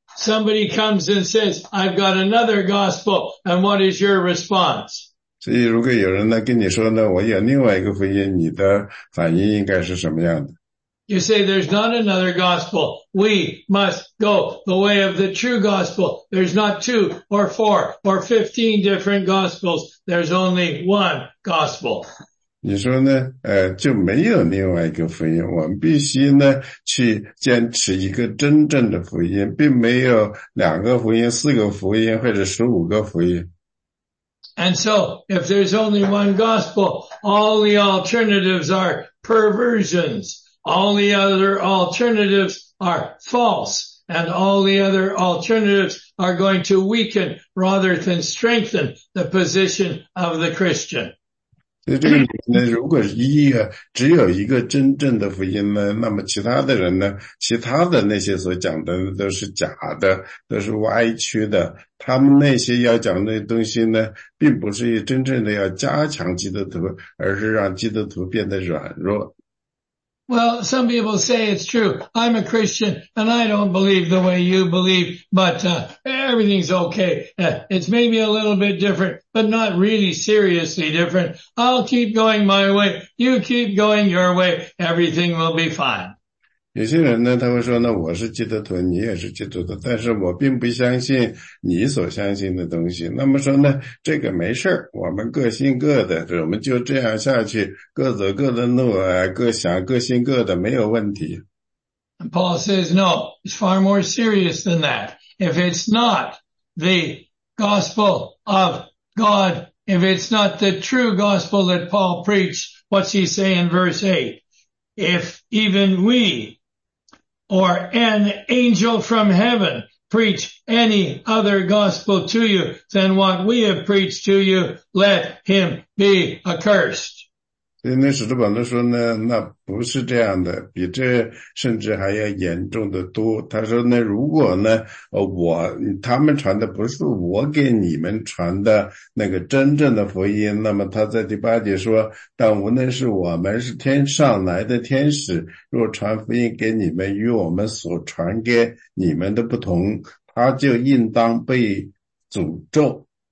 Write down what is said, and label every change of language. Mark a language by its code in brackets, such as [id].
[en] Somebody comes and says, I've got another gospel, and what is your response? [zh] 所以如果有人呢跟你说呢，我有另外一个福音，你的反应应该是什么样的？ [en] You say, there's not another gospel. We must go the way of the true gospel. There's not two or four or 15 different gospels. There's only one gospel. [zh] 你说呢就没有另外一个福音，我们必须呢去坚持一个真正的福音，并没有两个福音、四个福音或者十五个福音。 [en] And so, if there's only one gospel, all the alternatives are perversions. All the other alternatives are false. And all the other alternatives are going to weaken rather than strengthen the position of the Christian. [zh] 所以这个里面呢，如果只有一个真正的福音呢，那么其他的人呢，其他的那些所讲的都是假的，都是歪曲的。他们那些要讲的东西呢，并不是真正的要加强基督徒，而是让基督徒变得软弱。 [en] Well, some people say it's true. I'm a Christian, and I don't believe the way you believe, but everything's okay. It's maybe a little bit different, but not really seriously different. I'll keep going my way. You keep going your way. Everything will be fine. [zh] 有些人呢，他会说，那我是基督徒，你也是基督徒，但是我并不相信你所相信的东西。那么说呢，这个没事儿，我们各信各的，我们就这样下去，各走各的路，各想各信各的，没有问题。 [en] And Paul says, no, it's far more serious than that. If it's not the gospel of God, if it's not the true gospel that Paul preached, what's he saying in verse 8? If even we or an angel from heaven preach any other gospel to you than what we have preached to you, let him be accursed. [zh] 所以那使徒保罗说呢，那不是这样的，比这甚至还要严重的多。他说呢，如果呢，他们传的不是我给你们传的那个真正的福音，那么他在第八节说，但无论是我们是天上来的天使，若传福音给你们，与我们所传给你们的不同，他就应当被诅咒。